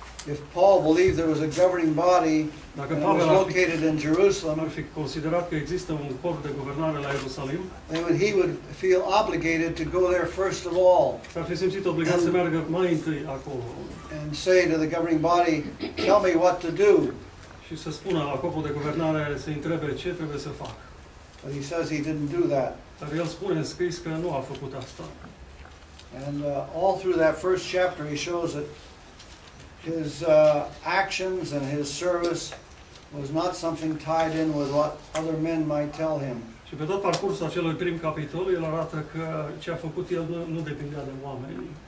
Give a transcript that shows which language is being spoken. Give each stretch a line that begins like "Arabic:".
English: If Paul believed there was a governing body that was located in Jerusalem,
Romanian: ar fi considerat că există un corp de guvernare la Ierusalim,
English: then he would feel obligated to go there first of all.
Romanian: S-ar fi simțit obligat să meargă mai întâi acolo.
English: And say to the governing body, tell me what to do.
Romanian: Și să spună la corpul de guvernare să întrebe ce trebuie să fac.
English: But he says he didn't do that.
Romanian: Dar el spune în scris că nu a făcut asta.
English: And all through that first chapter he shows that his actions and his service was not something tied in with what other men might tell him.
Romanian: Și pe tot parcursul acelui prim capitol, el arată că ce a făcut el nu depindea de oameni.